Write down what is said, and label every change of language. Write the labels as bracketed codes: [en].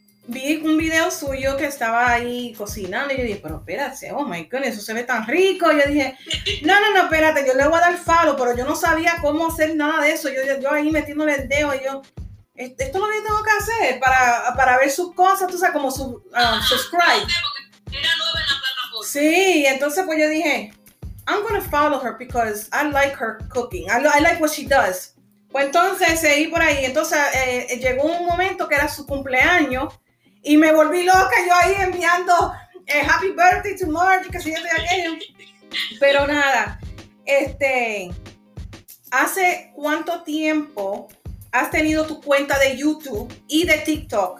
[es] Vi un video suyo que estaba ahí cocinando y yo dije, pero espérate, [en] oh my goodness, [es] eso se ve tan rico. Y yo dije, no, espérate, yo le voy a dar follow, pero yo no sabía cómo hacer nada de eso. Yo ahí metiéndole el dedo y yo, esto es lo que tengo que hacer para ver sus cosas, tú sabes, como su subscribe. Era nueva en la plataforma. Sí, entonces pues yo dije, [en] I'm going to follow her because I like her cooking. I like what she does. [es] Pues entonces seguí por ahí. Entonces llegó un momento que era su cumpleaños y me volví loca yo ahí enviando [en] Happy Birthday to Margie, [es] que si yo estoy aquello. Pero nada, ¿Hace cuánto tiempo has tenido tu cuenta de YouTube y de TikTok?